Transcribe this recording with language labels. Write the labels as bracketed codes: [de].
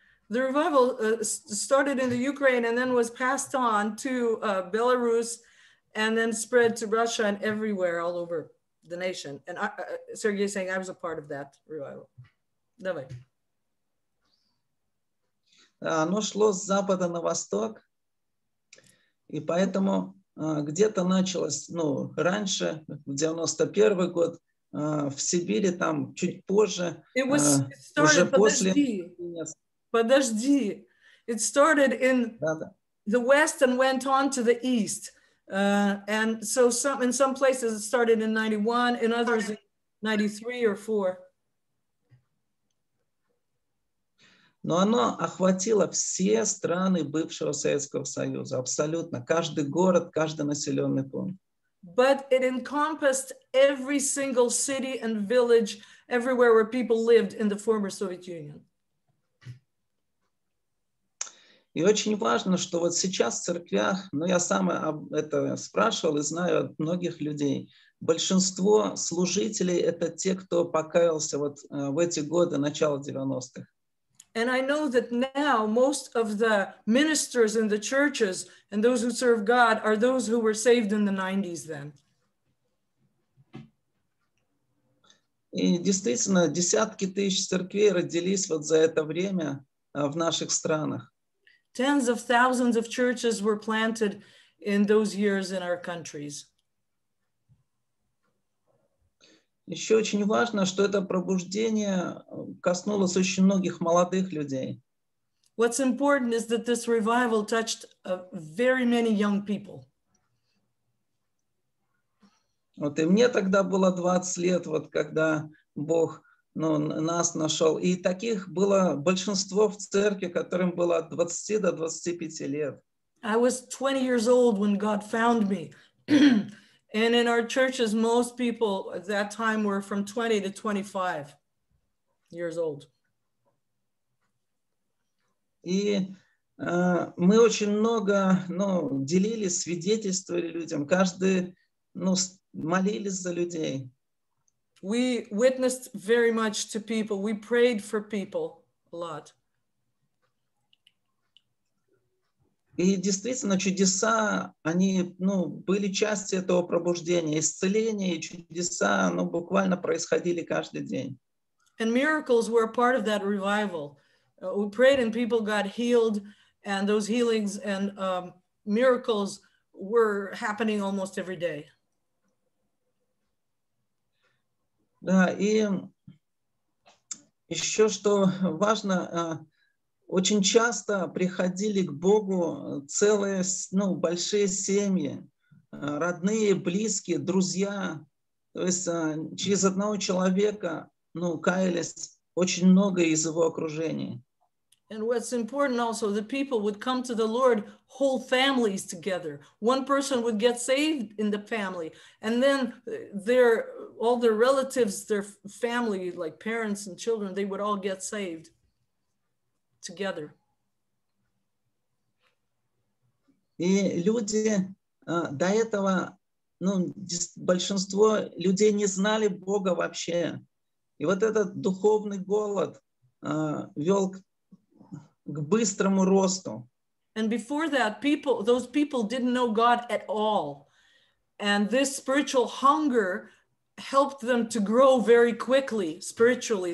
[en] The revival started in the Ukraine and then was passed on to Belarus and then spread to Russia and everywhere all over the nation. And Sergei is saying I was a part of that revival. [ru] Давай. Оно шло с запада на восток, и поэтому где-то началось, ну, раньше, в 91 год, в Сибири, там чуть позже, [en] it was started, [ru] уже после... Подожди. [en] It started in the West and went on to the East. And so some, in some places it started in 91, in others in 93 or 4. [ru] Но оно охватило все страны бывшего Советского Союза, абсолютно. Каждый город, каждый населенный пункт. [en] But it encompassed every single city and village, everywhere where people lived in the former Soviet Union. [ru] И очень важно, что вот сейчас в церквях, ну я сам это спрашивал и знаю от многих людей, большинство служителей это те, кто покаялся вот в эти годы, начало 90-х. [en] And I know that now most of the ministers in the churches and those who serve God are those who were saved in the 90s then. [ru] И действительно, десятки тысяч церквей родились вот за это время в наших странах. [en] Tens of thousands of churches were planted in those years in our countries. [ru] Еще очень важно, что это пробуждение коснулось очень многих молодых людей. [en] What's important is that this revival touched very many young people. [ru] Вот и мне тогда было 20 лет, вот когда Бог, ну, нас нашел. И таких было большинство в церкви, которым было от 20 до 25 лет. [en] I was 20 years old when God found me. And in our churches, most people at that time were from 20 to 25 years old. [ru] И мы очень много, ну, делились, свидетельствовали людям. Каждый, ну, молились за людей. [en] We witnessed very much to people. We prayed for people a lot. [ru] И действительно, чудеса, они, ну, были частью этого пробуждения. Исцеления и чудеса, ну, буквально происходили каждый день. [en] And miracles were a part of that revival. We prayed and people got healed, and those healings and miracles were happening almost every day. [ru] Да, и еще что важно... Очень часто приходили к Богу целые, ну, большие семьи, родные, близкие, друзья. То есть через одного человека, ну, каялись очень много из его окружения. [en] And what's important also, the people would come to the Lord, whole families together. One person would get saved in the family. And then their all their relatives, their family, like parents and children, they would all get saved together. [ru] И люди до этого, ну, большинство людей не знали Бога вообще. И вот этот духовный голод вел к быстрому росту. [en] And before that, those people didn't know God at all. And this spiritual hunger helped them to grow very quickly, spiritually.